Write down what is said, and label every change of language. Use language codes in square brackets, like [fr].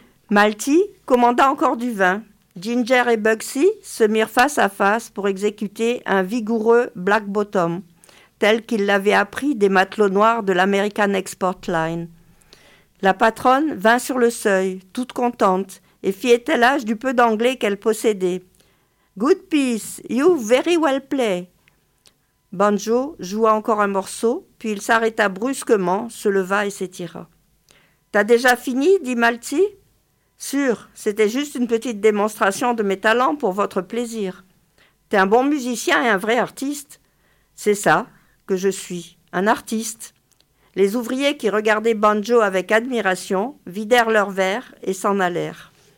[fr] Malti commanda encore du vin. Ginger et Bugsy se mirent face à face pour exécuter un vigoureux black bottom, tel qu'ils l'avaient appris des matelots noirs de l'American Export Line. La patronne vint sur le seuil, toute contente, et fit étalage du peu d'anglais qu'elle possédait. [en] « Good piece, you very well play !» [fr] Banjo joua encore un morceau, puis il s'arrêta brusquement, se leva et s'étira. « T'as déjà fini ?» dit Malti. « Sûr, c'était juste une petite démonstration de mes talents pour votre plaisir. T'es un bon musicien et un vrai artiste. C'est ça que je suis, un artiste. » Les ouvriers qui regardaient Banjo avec admiration vidèrent leurs verres et s'en allèrent.